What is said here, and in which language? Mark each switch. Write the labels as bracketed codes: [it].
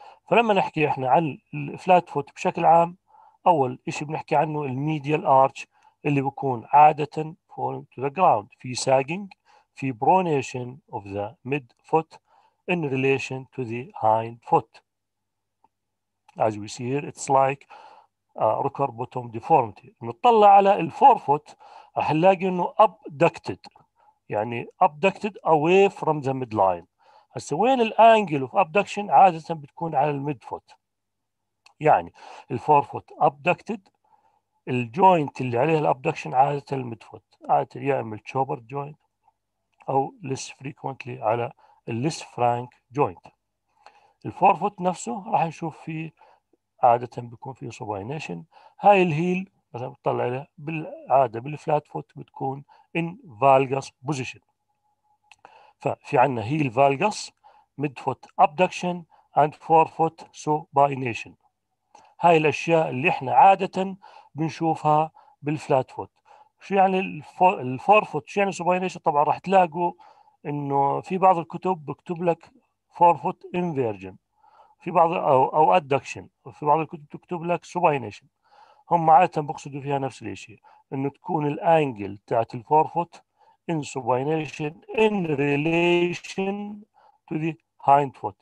[ar] فلما نحكي احنا عن الفلات فوت بشكل عام، اول شيء بنحكي عنه الميديال ارتش اللي بيكون عادة [en] falling to the ground، [ar] في sagging، في [en] pronation of the midfoot in relation to the hind foot. As we see here, it's like a rocker bottom deformity. [ar] نطلع على الفورفوت راح نلاقي انه abducted، يعني [en] abducted away from the midline. [ar] هسه وين الانجل of abduction؟ عادة بتكون على المدفوت. يعني الفورفوت abducted، الجوينت اللي عليها الابدكشن عادة المدفوت، عادة يا اما التشوبر جوينت او less frequently على الليس فرانك جوينت. الفورفوت نفسه راح نشوف فيه عادة بيكون فيه سوباينيشن. هاي الهيل مثلا بتطلع عليها بالعادة بالفلات فوت بتكون [en] in valgus position. [ar] ففي عنا هيل valgus، [en] midfoot abduction and forefoot supination. [ar] هاي الاشياء اللي احنا عادة بنشوفها بالفلات فوت. شو يعني الفور فوت؟ شو يعني سوباينيشن؟ طبعا راح تلاقوا انه في بعض الكتب بكتب لك فور فوت انفيرجن، في بعض او ادكشن، وفي بعض الكتب تكتب لك سوباينيشن. هم عاده بقصدوا فيها نفس الشيء، انه تكون الانجل تاعت الفور فوت [en] In supination in relation to the hind foot.